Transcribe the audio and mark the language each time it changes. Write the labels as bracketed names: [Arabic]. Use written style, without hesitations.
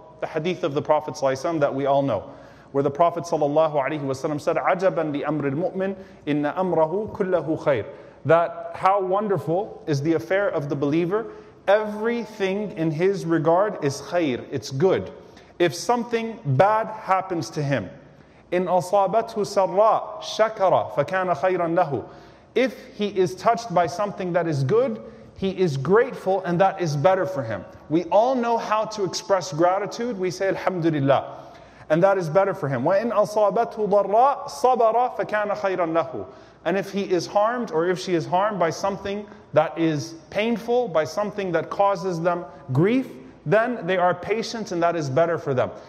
[English] The hadith of the Prophet ﷺ that we all know, where the Prophet ﷺ said, [Arabic] عَجَبًا لِأَمْرِ الْمُؤْمِنِ إِنَّ أَمْرَهُ كُلَّهُ خَيْرٌ. [English] That how wonderful is the affair of the believer. Everything in his regard is khayr, it's good. If something bad happens to him, [Arabic] إِنْ أَصَابَتْهُ سَرَّا شَكَرَ فَكَانَ خَيْرًا لَهُ. [English] If he is touched by something that is good, he is grateful and that is better for him. We all know how to express gratitude. We say Alhamdulillah. And that is better for him. [Arabic] وَإِنْ أَصَابَتْهُ ضَرَّا صَبَرَ فَكَانَ خَيْرًا لَهُ. [English] And if he is harmed or if she is harmed by something that is painful, by something that causes them grief, then they are patient and that is better for them.